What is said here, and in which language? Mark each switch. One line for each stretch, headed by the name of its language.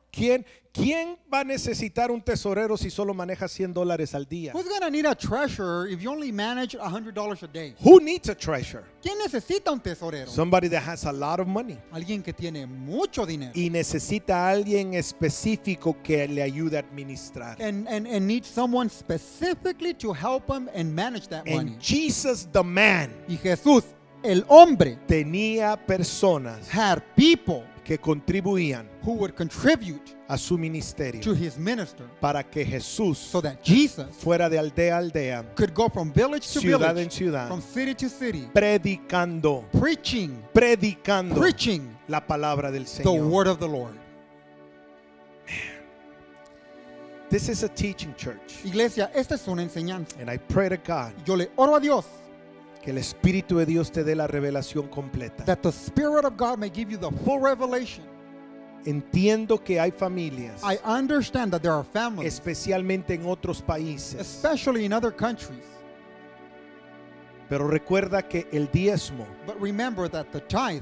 Spanish: ¿Quién va a necesitar un tesorero si solo maneja $100 al día?
English: Who's going to need a treasure if you only manage $100 a day? Who needs a treasure?
Spanish: ¿Quién necesita un tesorero?
English: Somebody that has a lot of money.
Spanish: Alguien que tiene mucho dinero. Y necesita alguien específico que le ayude a administrar.
English: And needs someone specifically to help him and manage that and money. And Jesus the man.
Spanish: Y Jesús el hombre. Tenía personas.
English: Had people.
Spanish: Que contribuían.
English: Who would contribute
Spanish: a su ministerio,
English: to his minister,
Spanish: para que Jesús,
English: so that Jesus,
Spanish: fuera de aldea a aldea,
English: could go from village to
Spanish: ciudad
English: village,
Spanish: en ciudad,
English: from city to city,
Spanish: predicando,
English: preaching,
Spanish: predicando,
English: preaching
Spanish: la palabra del Señor,
English: the word of the Lord. This is a teaching church.
Spanish: Iglesia, esta es una enseñanza.
English: And I pray to God.
Spanish: Yo le oro a Dios. Que el Espíritu de Dios te dé la revelación completa.
English: That the Spirit of God may give you the full revelation.
Spanish: Entiendo que hay familias.
English: I understand that there are families.
Spanish: Especialmente en otros países.
English: Especially in other countries.
Spanish: Pero recuerda que el diezmo.
English: But remember that the tithe.